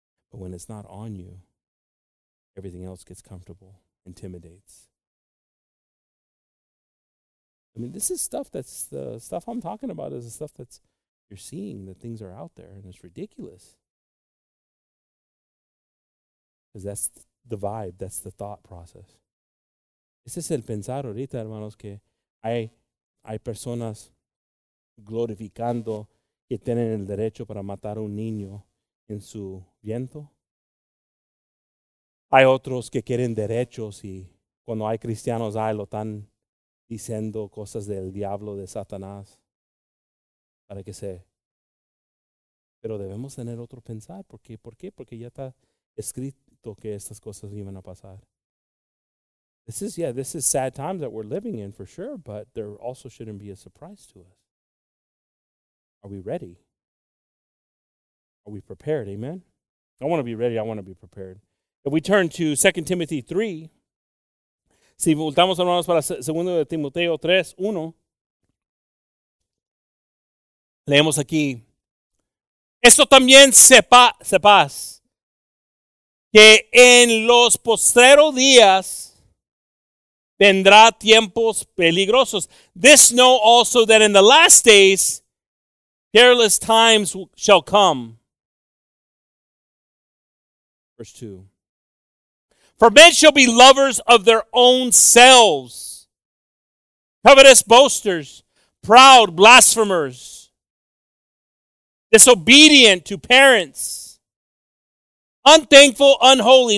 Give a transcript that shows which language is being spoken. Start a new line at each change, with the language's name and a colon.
English: But when it's not on you, everything else gets comfortable, intimidates. I mean, this is stuff that's the stuff I'm talking about is the stuff that's you're seeing that things are out there, and it's ridiculous. Because that's the vibe, that's the thought process.
Spanish: Ese es el pensar ahorita, hermanos, que hay personas glorificando y y tienen el derecho para matar a un niño en su vientre. Hay otros que quieren derechos y cuando hay cristianos ahí lo están diciendo cosas del diablo, de Satanás, para que se... Pero debemos tener otro pensar. ¿Por qué? ¿Por qué? Porque ya está escrito que estas cosas iban a pasar.
English: This is sad times that we're living in for sure, but there also shouldn't be a surprise to us. Are we ready? Are we prepared? Amen? I want to be ready. I want to be prepared. If we turn to 2 Timothy 3,
Spanish: si voltamos, hermanos, para 2 Timoteo 3, 1, leemos aquí, esto también sepas, que en los postreros días vendrá tiempos peligrosos.
English: This know also that in the last days, perilous times shall come. Verse 2. For men shall be lovers of their own selves, covetous boasters, proud blasphemers, disobedient to parents, unthankful, unholy.